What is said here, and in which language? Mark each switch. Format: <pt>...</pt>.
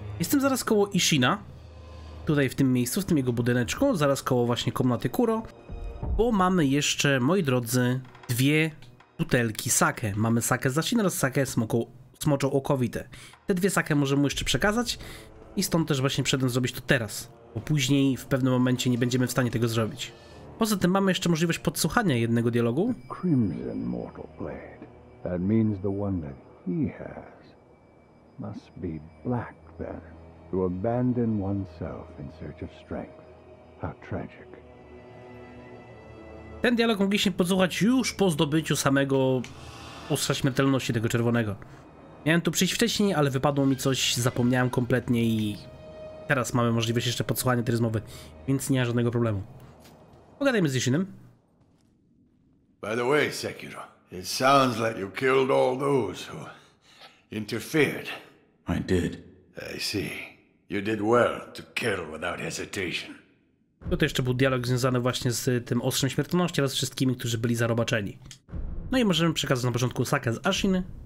<pl>Jestem zaraz koło Ishina, tutaj w tym miejscu, w tym jego budyneczku, zaraz koło właśnie komnaty Kuro, bo mamy jeszcze, moi drodzy, dwie butelki sake. Mamy sake Zashin oraz sake smoczo okowite. Te dwie sake możemy jeszcze przekazać. I stąd też właśnie przyszedłem zrobić to teraz, bo później w pewnym momencie nie będziemy w stanie tego zrobić. Poza tym mamy jeszcze możliwość podsłuchania jednego dialogu.</pl> <en>Crimson Mortal Blade. That means the one that he has must be black then. To abandon oneself in search of strength. How tragic.</en> <pl>Ten dialog mogliśmy podsłuchać już po zdobyciu samego ostrza śmiertelności tego czerwonego. Miałem tu przyjść wcześniej, ale wypadło mi coś, zapomniałem kompletnie i teraz mamy możliwość jeszcze podsłuchania tej rozmowy, więc nie ma żadnego problemu. Pogadajmy z Ishinem.</pl> <en>By the way, Sekiro, it sounds like you killed all those who interfered. I did. I see. You did well to kill without hesitation.</en> <pl>Tutaj jeszcze był dialog związany właśnie z tym ostrzem śmiertelności oraz wszystkimi, którzy byli zarobaczeni. No i możemy przekazać na początku sake z Ashin.</pl>